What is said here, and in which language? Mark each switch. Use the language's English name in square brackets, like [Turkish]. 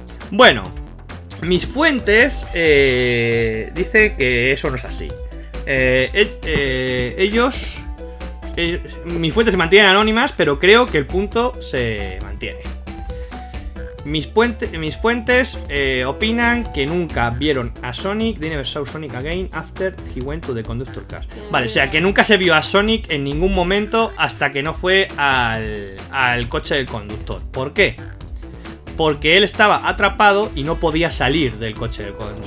[Spanish] Bueno, mis fuentes dicen que eso no es así. Mis fuentes se mantienen anónimas, pero creo que el punto se mantiene. Mis fuentes opinan que nunca vieron a Sonic. [English] They never saw Sonic again after he went to the conductor car. [Spanish] Vale, o sea, que nunca se vio a Sonic en ningún momento hasta que no fue al coche del conductor. ¿Por qué? Porque él estaba atrapado y no podía salir del coche del conductor.